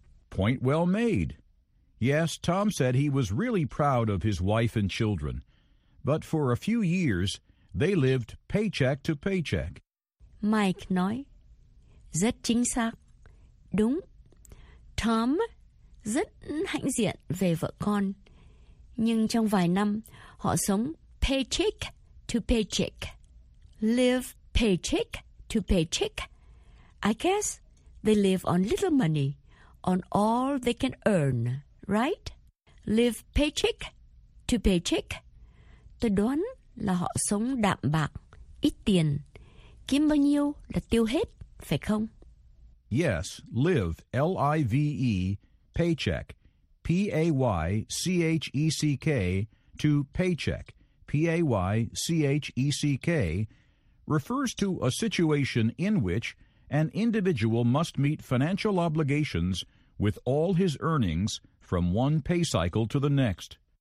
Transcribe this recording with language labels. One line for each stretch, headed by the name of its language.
English: Point well made. Yes, Tom said he was really proud of his wife and children. But for a few years, they lived paycheck to paycheck.
Vietnamese: Mike nói, rất chính xác. Đúng. Tom rất hãnh diện về vợ con. Nhưng trong vài năm, họ sống
English: paycheck to paycheck. Live paycheck to paycheck. I guess they live on little money, on all they can earn, right? Live paycheck to paycheck.
Vietnamese: Tôi đoán là họ sống đạm bạc, ít tiền. Kiếm bao nhiêu là tiêu hết, phải không?
English: Yes, live, L-I-V-E, paycheck, P-A-Y-C-H-E-C-K, to paycheck, P-A-Y-C-H-E-C-K, refers to a situation in which an individual must meet financial obligations with all his earnings from one pay cycle to the next.